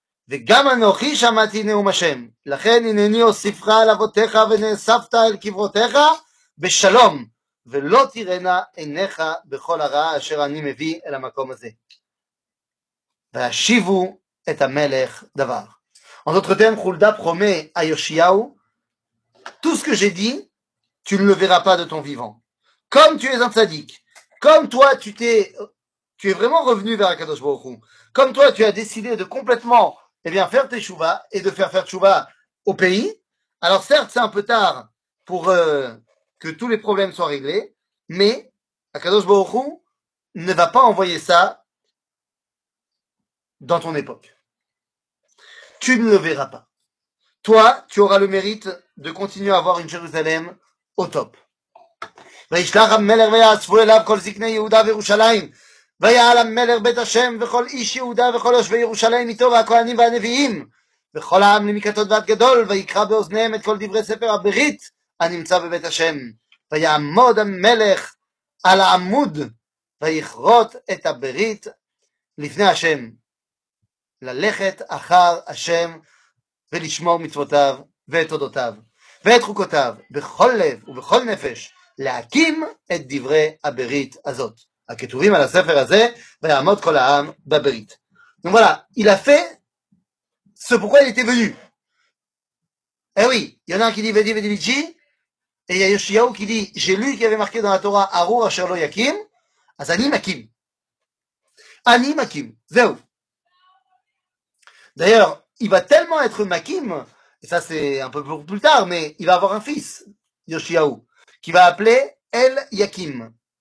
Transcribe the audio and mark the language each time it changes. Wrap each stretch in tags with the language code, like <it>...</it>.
<he>וגם אנוכי שמעתי נאום השם. לכן הנני אוסיפך על אבותיך ונאספת אל קברותיך בשלום. ולא תראינה עיניך בכל הרע אשר אני מביא אל המקום הזה. והשיבו את המלך דבר.</he> <fr>En d'autres termes, Hulda promet à Yoshiaou, tout ce que j'ai dit, tu ne le verras pas de ton vivant. Comme tu es un tzadik, comme toi tu t'es... Tu es vraiment revenu vers Akadosh Baruch Hu. Comme toi, tu as décidé de complètement, eh bien, faire tes chouva et de faire chouva au pays. Alors, certes, c'est un peu tard pour que tous les problèmes soient réglés, mais Akadosh Baruch Hu ne va pas envoyer ça dans ton époque. Tu ne le verras pas. Toi, tu auras le mérite de continuer à avoir une Jérusalem au top.</fr> <he>וישלח המלך ויעצבו אליו כל זקני יהודה וירושלים, ויעל המלך בית השם וכל איש יהודה וכל יושבי ירושלים איתו והכהנים והנביאים, וכל העם למקטות ועד גדול, ויקרא באוזניהם את כל דברי ספר הברית הנמצא בבית השם, ויעמוד המלך על העמוד ויכרות את הברית לפני השם, ללכת אחר השם ולשמור מצוותיו ואת עודותיו ואת חוקותיו בכל לב ובכל נפש, להקים את דברי הברית הזאת, הכתובים על הספר הזה, ויעמוד כל העם בברית.</he> <fr>Donc voilà, il a fait ce pourquoi il était venu. Eh oui, il y en a un qui dit</fr> <la>Vedi Vedi Vici,</la> <fr>et il y a Yoshiyahu qui dit, j'ai lu qu'il y avait marqué dans la Torah</fr> <he>Arur Asher Lo Yakim, אז אני מקים. אני מקים, זהו.</he> <fr>D'ailleurs, il va tellement être מקים, et ça c'est un peu plus tard, mais il va avoir un fils, Yoshiyahu, qui va appeler El Yakim.</fr>